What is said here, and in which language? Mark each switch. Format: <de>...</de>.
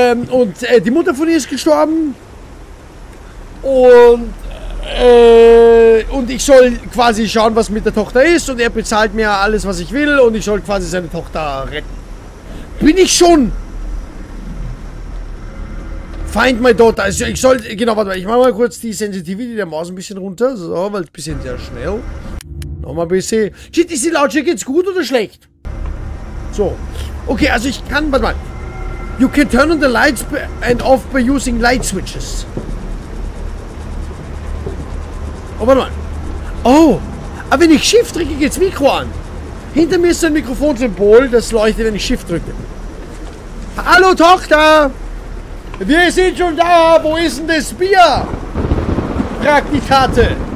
<de>Und die Mutter von ihr ist gestorben. Und ich soll quasi schauen, was mit der Tochter ist, und er bezahlt mir alles, was ich will, und ich soll quasi seine Tochter retten. Bin ich schon?</de> <en>Find my daughter.</en> <de>Also ich soll, genau, warte mal, ich mach mal kurz die Sensitivität der Maus ein bisschen runter, so, weil ein bisschen sehr schnell. Nochmal ein bisschen. Shit, ist die Lautstärke jetzt gut oder schlecht? So. Okay, also ich kann, warte mal.</de> <en>You can turn on the lights and off by using light switches.</en> <de>Oh, warte mal. Oh, aber wenn ich Shift drücke, geht's Mikro an. Hinter mir ist ein Mikrofonsymbol, das leuchtet, wenn ich Shift drücke. Hallo, Tochter! Wir sind schon da, wo ist denn das Bier? Fragt die Karte.</de>